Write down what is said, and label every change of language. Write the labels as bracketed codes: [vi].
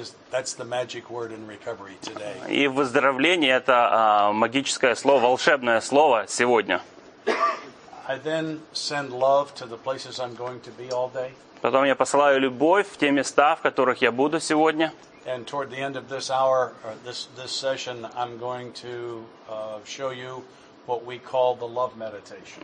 [en] That's the magic word in recovery today. [ru] И выздоровление это магическое слово, волшебное слово сегодня. [en] I then send love to the places I'm going to be all day. [ru] Потом я посылаю любовь в те места, в которых я буду сегодня. [en] And toward the end of this hour, or this session, I'm going to show you what we call the love meditation.